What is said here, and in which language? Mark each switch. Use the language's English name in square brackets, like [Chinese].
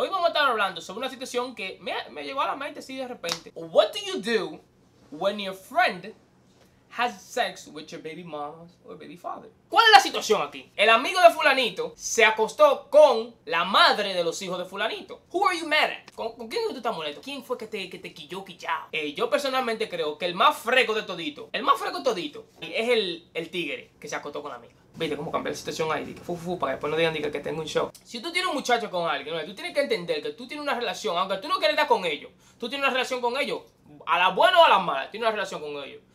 [Spanish] Hoy vamos a estar hablando sobre una situación que me llegó a la mente así de repente. [English] What do you do when your friend has sex with your baby mama or baby father? [Spanish] ¿Cuál es la situación aquí? El amigo de fulanito se acostó con la madre de los hijos de fulanito. [English] Who are you mad at? [Spanish] ¿Con quién tú estás molesto? ¿Quién fue que te quilló, quillao? Yo personalmente creo que el más freco de todito es el tigre que se acostó con la amiga. Viste cómo cambiar la situación ahí, dije, para después no digan que tengo un show. Si tú tienes un muchacho con alguien, tú tienes que entender que tú tienes una relación, aunque tú no quieras estar con ellos, tú tienes una relación con ellos, a la buena o a la mala, tienes una relación con ellos.